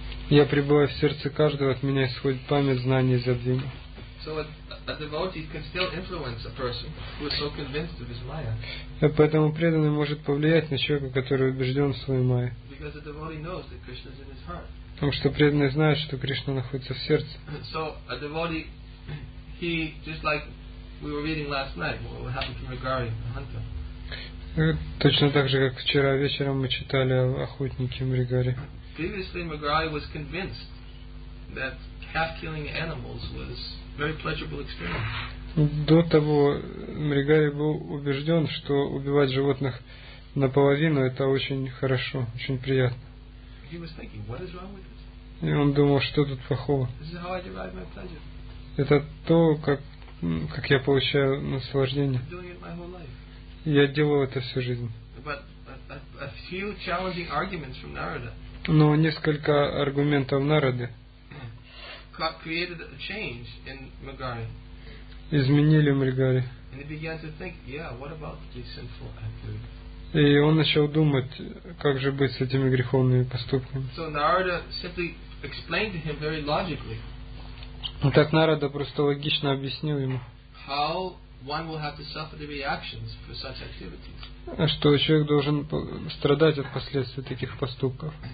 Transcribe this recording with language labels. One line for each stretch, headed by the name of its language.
Russian: Я пребываю в сердце каждого, от меня исходит память, знание и забвение.
English: So a devotee can still influence a person who is so convinced of his Maya.
Russian: Поэтому преданный может повлиять на человека, который убежден в своей Майе.
English: Because a devotee knows that Krishna is in his heart.
Russian: Потому что преданный знает, что Кришна находится в сердце.
English: So a devotee, he just like we were reading last night, what happened to Magari, the hunter.
Russian: Точно так же, как вчера вечером мы читали о охотнике Мригари.
English: Previously, Magari was convinced that calf-killing animals was very pleasurable experience.
Russian: До того Мригари был убежден, что убивать животных наполовину это очень хорошо, очень приятно.
English: He was thinking, what is wrong with this?
Russian: И он думал, что тут плохого?
English: This is how I derive my pleasure.
Russian: Это то, как я получаю наслаждение.
English: Doing it my whole life.
Russian: Я делал это всю жизнь.
English: But a few challenging arguments from Narada.
Russian: Но несколько аргументов Нарады
English: created a change in Magari.
Russian: Изменили Мригари.
English: And he began to think, yeah, what about these sinful activities?
Russian: И он начал думать, как же быть с этими греховными поступками.
English: So Narada simply explained to him very logically.
Russian: Так Нарада просто логично объяснил ему.
English: How one will have to suffer the reactions for such activities.
Russian: Что человек должен страдать от последствий таких поступков.